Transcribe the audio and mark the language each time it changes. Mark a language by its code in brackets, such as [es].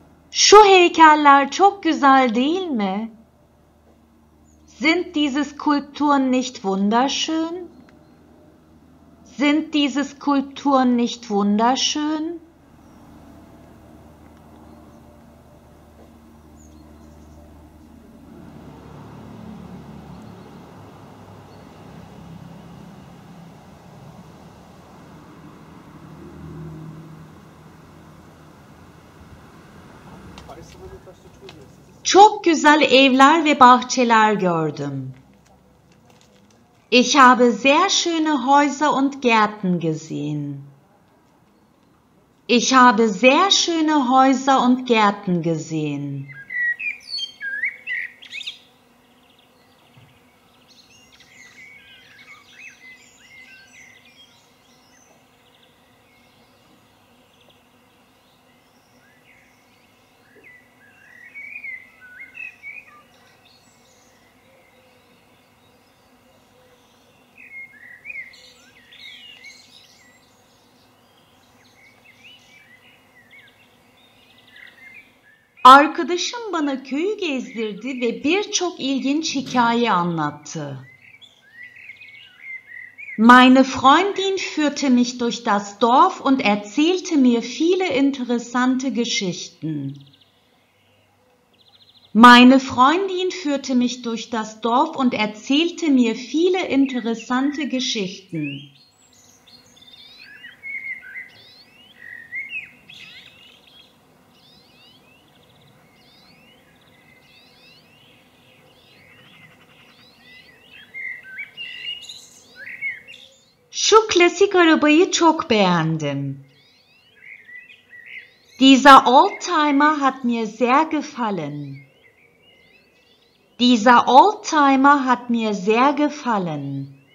[tr] Şu heykeller çok güzel değil mi? [de] Sind diese Skulpturen nicht wunderschön? Sind diese Skulpturen nicht wunderschön? Weißt du, was du tun willst? [tr] Çok güzel evler ve bahçeler gördüm. [de] Ich habe sehr schöne Häuser und Gärten gesehen. Ich habe sehr schöne Häuser und Gärten gesehen. [tr] Arkadaşım bana köyü gezdirdi ve birçok ilginç hikaye anlattı. [de] Meine Freundin führte mich durch das Dorf und erzählte mir viele interessante Geschichten. Meine Freundin führte mich durch das Dorf und erzählte mir viele interessante Geschichten. [tr] Şu klasik arabayı çok beğendim. [de] Dieser Oldtimer hat mir sehr gefallen. Dieser Oldtimer hat mir sehr gefallen.